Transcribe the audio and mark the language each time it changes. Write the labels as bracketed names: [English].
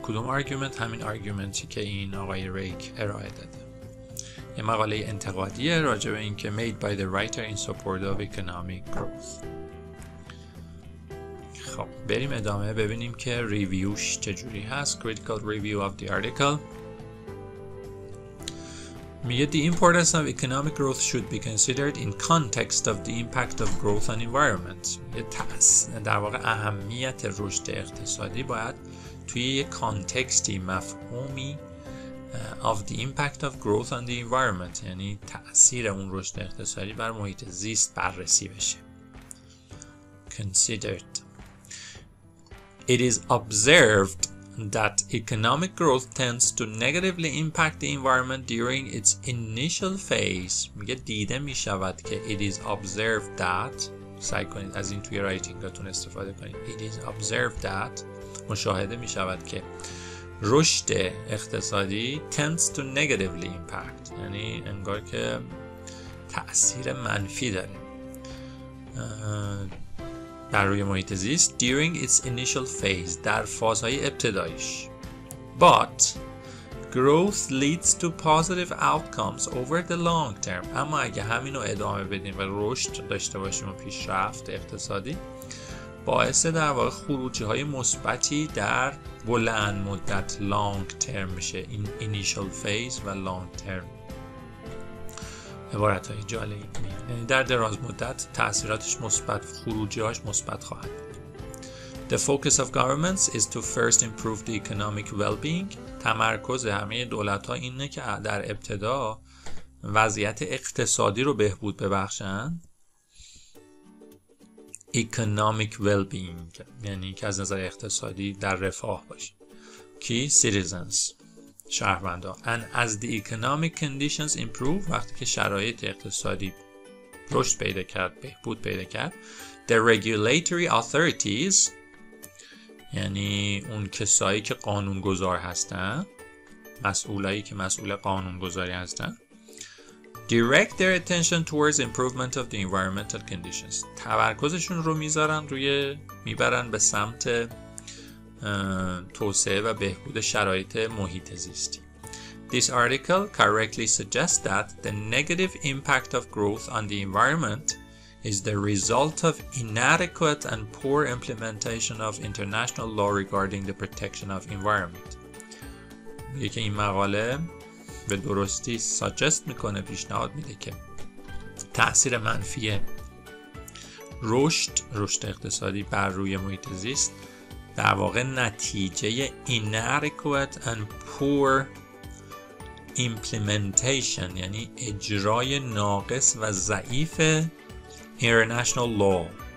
[Persian] کدوم argument؟ همین argumentی که این آقای ریک ارائه داده، یه مقاله انتقادیه راجع به این که [English] made by the writer in support of economic growth. [Persian] خب بریم ادامه ببینیم که ریویوش چجوری هست. [English] critical review of the article. The importance of economic growth should be considered in context of the impact of growth on environment. [Persian] در واقع اهمیت رشد اقتصادی باید توی یک کانتکستی، مفهومی [English] of the impact of growth on the environment، [Persian] یعنی تأثیر اون رشد اقتصادی بر محیط زیست بررسی بشه. [English] Considered. It is observed that economic growth tends to negatively impact the environment during its initial phase. [Persian] میگه دیده میشود که [English] it is observed that، [Persian] سعی کنید از این توی رایتینگاتون استفاده کنید، it is observed that، مشاهده میشود که رشد اقتصادی [English] tends to negatively impact، [Persian] یعنی انگار که تأثیر منفی داره در روی محیط زیست. [English] during its initial phase، [Persian] در فازهای ابتدایش. [English] but growth leads to positive outcomes over the long term، [Persian] اما اگه همینو ادامه بدیم و رشد داشته باشیم و پیشرفت اقتصادی، با باعث در واقع خروجی های مثبتی در بلند مدت long term میشه، این [English] initial phase [Persian] و [English] long term. [Persian] عبارت های جالبی در دراز مدت تأثیراتش مثبت، خروجی هاش مثبت خواهد. [English] The focus of governments is to first improve the economic well-being. [Persian] تمرکز همه دولت ها اینه که در ابتدا وضعیت اقتصادی رو بهبود ببخشن. [English] Economic well-being [Persian] یعنی که از نظر اقتصادی در رفاه باشی. [English] Key citizens [Persian] شهروندا. [English] And as the economic conditions improve [Persian] وقتی که شرایط اقتصادی رشد پیدا کرد، بهبود پیدا کرد، [English] the regulatory authorities [Persian] یعنی اون کسایی که قانونگذار هستن، مسئولایی که مسئول قانونگذاری هستن، [English] direct their attention towards improvement of the environmental conditions، [Persian] تمرکزشون رو میذارن روی، میبرن به سمت توسعه و بهبود شرایط محیط زیستی. [English] This article correctly suggests that the negative impact of growth on the environment is the result of inadequate and poor implementation of international law regarding the protection of environment. [Persian] یکی این مقاله به درستی suggest میکنه، پیشنهاد میده که تأثیر منفی رشد اقتصادی بر روی محیط زیست در واقع نتیجه [English] inadequate and poor implementation [Persian] یعنی اجرای ناقص و ضعیف [English] international law